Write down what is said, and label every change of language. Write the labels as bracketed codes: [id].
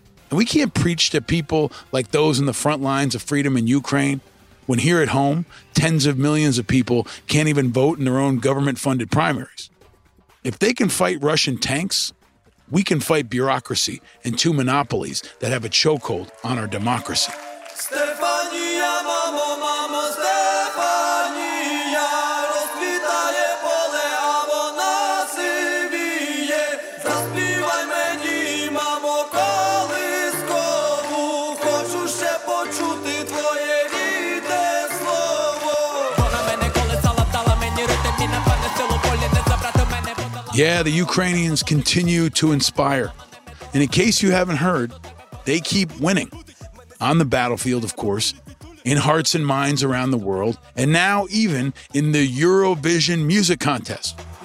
[en] And we can't preach to people like those in the front lines of freedom in Ukraine when here at home, tens of millions of people can't even vote in their own government-funded primaries. If they can fight Russian tanks, we can fight bureaucracy and two monopolies that have a chokehold on our democracy. [uk] Stefania, mama, mama, Stefania, розквітає поле, а вона сивіє. Заспівай мені, мамо, колискову, хочу ще почути твоє рідне слово. Вона мене колисала, дала мені ритм, і напевне силу волі не забрати мене. [en] Yeah, the Ukrainians continue to inspire. And in case you haven't heard, they keep winning. On the battlefield, of course, in hearts and minds around the world, and now even in the Eurovision Music Contest.